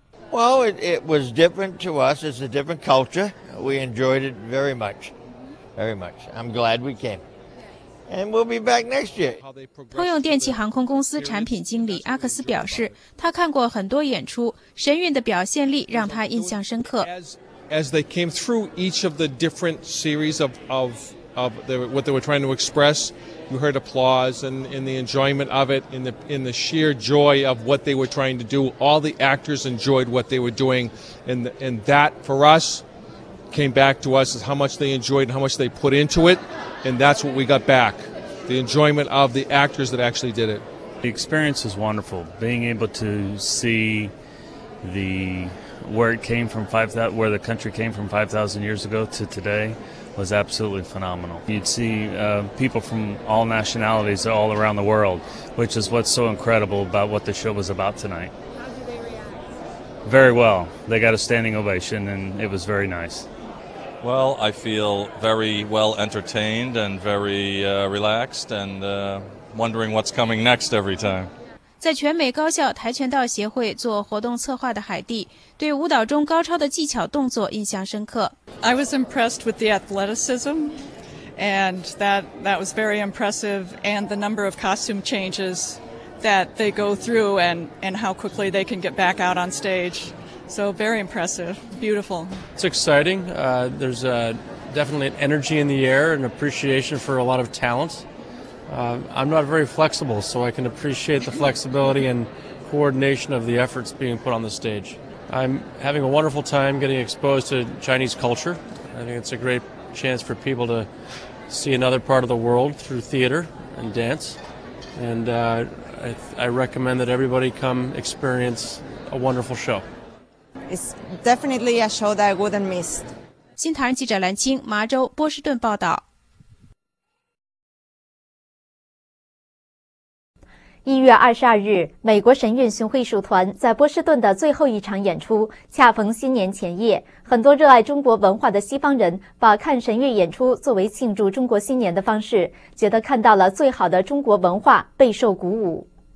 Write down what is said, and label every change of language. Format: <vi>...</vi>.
<en>Well, it was different to us. It's a different culture. We enjoyed it very much, very much. I'm glad we came. And we'll be back next year.</en> <zh>通用电气航空公司产品经理阿克斯表示，他看过很多演出，神韵的表现力让他印象深刻。</zh> <en>As they came through each of the different series of the, what they were trying to express, you heard applause and the enjoyment of it, in the sheer joy of what they were trying to do. All the actors enjoyed what they were doing, and that for us came back to us is how much they enjoyed and how much they put into it, and that's what we got back, the enjoyment of the actors that actually did it. The experience is wonderful, being able to see the where it came from, where the country came from 5,000 years ago to today. Was absolutely phenomenal. You'd see people from all nationalities all around the world, which is what's so incredible about what the show was about tonight. How did they react? Very well. They got a standing ovation, and it was very nice. Well, I feel very well entertained and very relaxed, and wondering what's coming next every time.</en> <zh>在全美高校跆拳道协会做活动策划的海蒂，对舞蹈中高超的技巧动作印象深刻。</zh> <en>I was impressed with the athleticism, and that was very impressive, and the number of costume changes that they go through, and how quickly they can get back out on stage. So very impressive, beautiful. It's exciting. There's definitely an energy in the air, an appreciation for a lot of talent. I'm not very flexible, so I can appreciate the flexibility and coordination of the efforts being put on the stage. I'm having a wonderful time getting exposed to Chinese culture. I think it's a great chance for people to see another part of the world through theater and dance. And I recommend that everybody come experience a wonderful show. It's definitely a show that I wouldn't miss.</en> <zh>新唐人记者蓝青，麻州、波士顿报道。 1月22日，美国神韵巡回艺术团在波士顿的最后一场演出恰逢新年前夜，很多热爱中国文化的西方人把看神韵演出作为庆祝中国新年的方式，觉得看到了最好的中国文化，备受鼓舞。</zh>